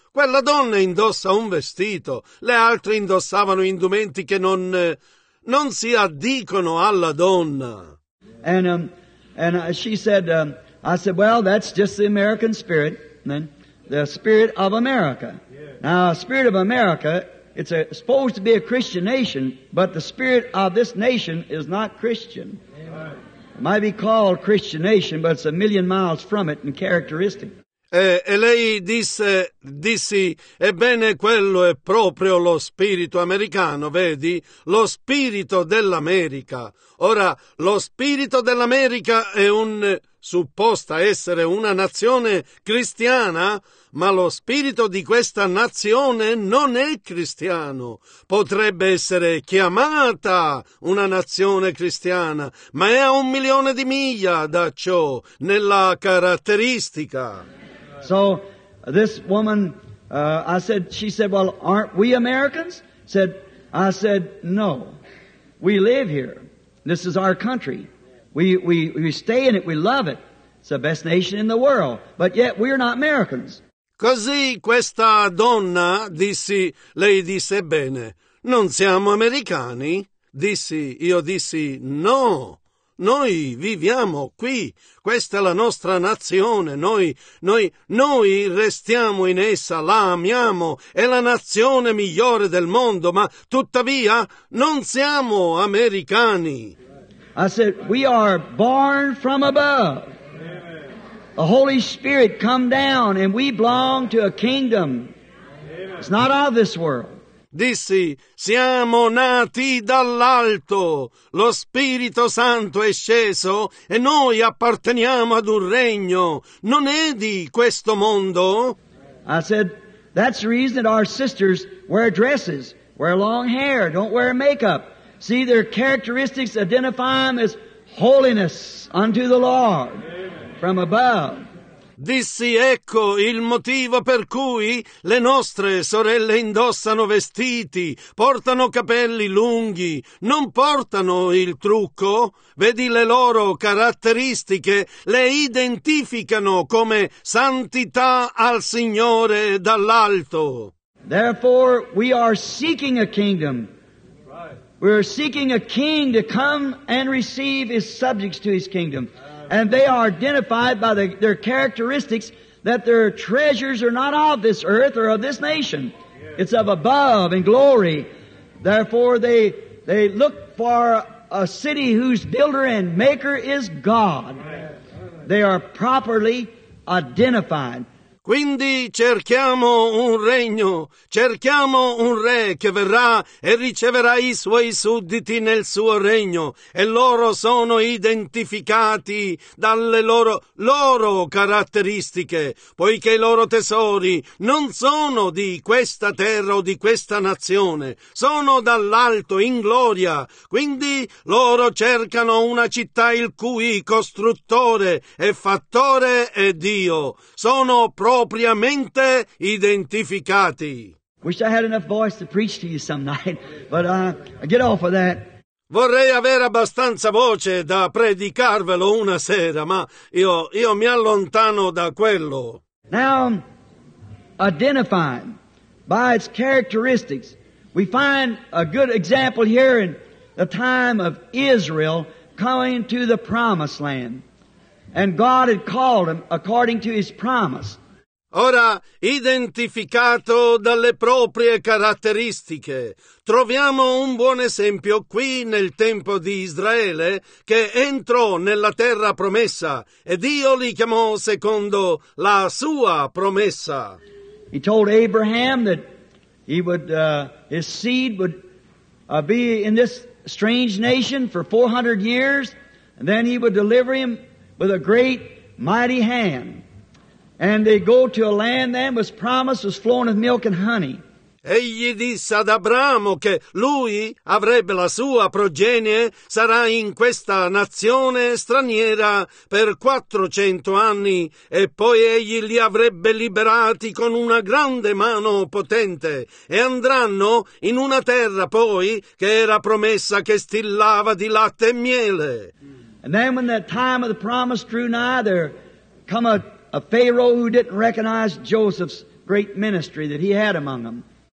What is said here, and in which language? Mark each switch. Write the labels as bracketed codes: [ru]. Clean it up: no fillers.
[it] Quella donna indossa un vestito, le altre indossavano indumenti che non si addicono alla donna. [en] And she said, I said, well, that's just the American spirit, then, the spirit of America. Now, spirit of America, it's supposed to be a Christian nation, but the spirit of this nation is not Christian. It might be called Christian nation, but it's a million miles from it in characteristic. [it] E lei disse, ebbene quello è proprio lo spirito americano, vedi? Lo spirito dell'America. Ora, lo spirito dell'America è supposta essere una nazione cristiana, ma lo spirito di questa nazione non è cristiano. Potrebbe essere chiamata una nazione cristiana, ma è a un milione di miglia da ciò, nella caratteristica. [en] So this woman, she said, well, aren't we Americans? I said, no, we live here. This is our country. We stay in it. We love it. It's the best nation in the world. But yet we are not Americans. [it] Così questa donna, dissi, lei disse bene, non siamo americani. Io dissi, no. Noi viviamo qui, questa è la nostra nazione, noi restiamo in essa, la amiamo, è la nazione migliore del mondo, ma tuttavia non siamo americani. [en] I said, we are born from above. The Holy Spirit come down and we belong to a kingdom. It's not of this world. [it] Dissi, siamo nati dall'alto, lo Spirito Santo è sceso e noi apparteniamo ad un regno, non è di questo mondo. [en] I said, that's the reason that our sisters wear dresses, wear long hair, don't wear makeup. See, their characteristics identify them as holiness unto the Lord from above. [it] Dissi, ecco il motivo per cui le nostre sorelle indossano vestiti, portano capelli lunghi, non portano il trucco. Vedi le loro caratteristiche, le identificano come santità al Signore dall'alto. [en] Therefore, we are seeking a kingdom. We are seeking a king to come and receive his subjects to his kingdom. And they are identified by their characteristics that their treasures are not of this earth or of this nation. It's of above in glory. Therefore, they look for a city whose builder and maker is God. They are properly identified. [it] Quindi cerchiamo un regno, cerchiamo un re che verrà e riceverà i suoi sudditi nel suo regno e loro sono identificati dalle loro caratteristiche, poiché i loro tesori non sono di questa terra o di questa nazione, sono dall'alto in gloria, quindi loro cercano una città il cui costruttore e fattore è Dio, sono propriamente identificati. [en] Wish I had enough voice to preach to you some night, but I get off of that. [it] Vorrei avere abbastanza voce da predicarvelo una sera, ma io mi allontano da quello. [en] Now, identifying by its characteristics, we find a good example here in the time of Israel coming to the promised land. And God had called him according to his promise. [it] Ora, identificato dalle proprie caratteristiche, troviamo un buon esempio qui nel tempo di Israele che entrò nella terra promessa e Dio li chiamò secondo la sua promessa. [en] He told Abraham that he would, his seed would be in this strange nation for 400 years and then he would deliver him with a great mighty hand. And they go to a land that was promised, was flowing with milk and honey. [it] Egli disse ad Abramo che lui avrebbe la sua progenie, sarà in questa nazione straniera per 400 anni, e poi egli li avrebbe liberati con una grande mano potente, e andranno in una terra poi che era promessa che stillava di latte e miele. [en] And then when the time of the promise drew nigh, there come a Pharaoh who didn't recognize Joseph's great ministry that he had among them.